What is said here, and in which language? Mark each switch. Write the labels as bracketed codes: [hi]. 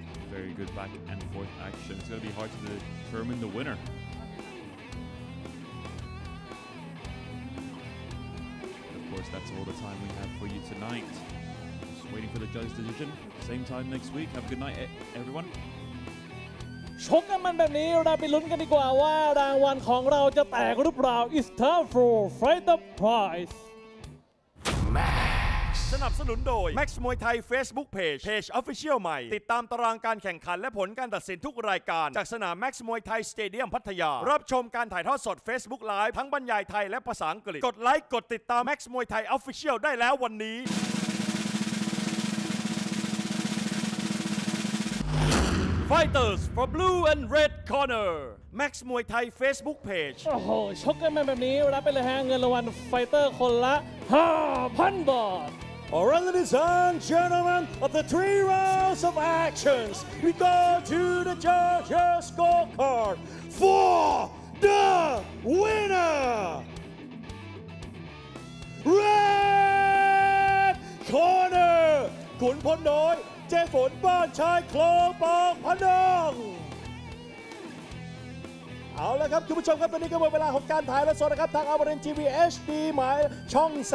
[en] Very good back and forth action. It's going to be hard to determine the winner. And of course, that's all the time we have for you tonight. Waiting for the judge's decision. Same time next week. Have a good night, everyone. [th] ชกกันมันแบบนี้เราไปลุ้นกันดีกว่าว่ารางวัลของเราจะแตกหรือเปล่า [en] It's time for Fighter Prize [th] Max สนับสนุนโดย Max มวยไทย Facebook Page Page Official ใหม่ติดตามตารางการแข่งขันและผลการตัดสินทุกรายการจากสนาม Max มวยไทยสเตเดียมพัทยารับชมการถ่ายทอดสด Facebook Live ทั้งบรรยายไทยและภาษาอังกฤษกดไลค์กดติดตาม Max มวยไทย Official ได้แล้ววันนี้ [en] Fighters for Blue and Red Corner Max มวยไทย Facebook Page [th] โอ้โหชกกันมาแบบนี้รับไปเลยฮะเงินรางวัล Fighter คนละ 5,000 บาท [en] Alright, ladies and gentlemen, of the three rounds of actions, we go to the judges' scorecard for the winner, Red Corner, ขุนพลน้อยเจฝนบ้านชายคลองบางพนัง [th] เอาละครับคุณผู้ชมครับตอนนี้ก็หมดเวลาของการถ่ายแล้วสดนะครับทาง Amarin TV HD หมายช่อง